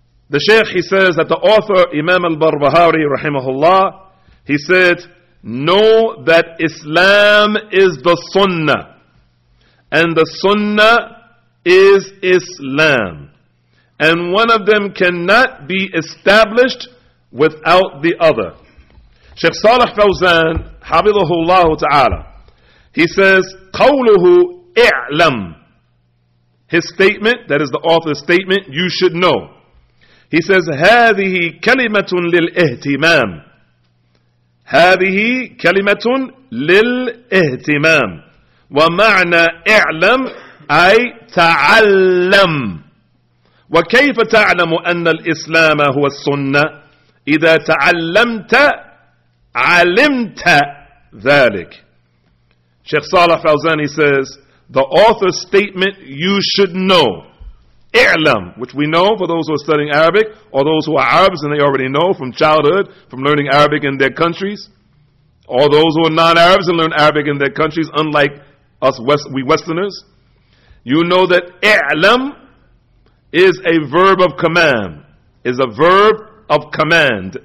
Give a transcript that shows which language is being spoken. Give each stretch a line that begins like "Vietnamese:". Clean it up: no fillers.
English: The Shaykh, he says that the author, Imam al-Barbahari, rahimahullah, he said, know that Islam is the Sunnah, and the Sunnah is Islam, and one of them cannot be established without the other. Sheikh Salih Fawzan, habibahullah ta'ala, he says,
Arabic: قوله اعلم,
English: his statement, that is the author's statement, you should know. He says,
Arabic: هذه كلمة للاهتمام. هذه كلمة للاهتمام. ومعنى اعلم أي تعلم. وكيف تعلم أن الإسلام هو السنة؟ إذا تعلمت علمت ذلك.
English: Sheikh Salih Fawzan, he says, the author's statement, you should know. I'lam, which we know for those who are studying Arabic, or those who are Arabs and they already know from childhood, from learning Arabic in their countries, or those who are non-Arabs and learn Arabic in their countries, unlike us we Westerners, you know that I'lam is a verb of command, is a verb of command.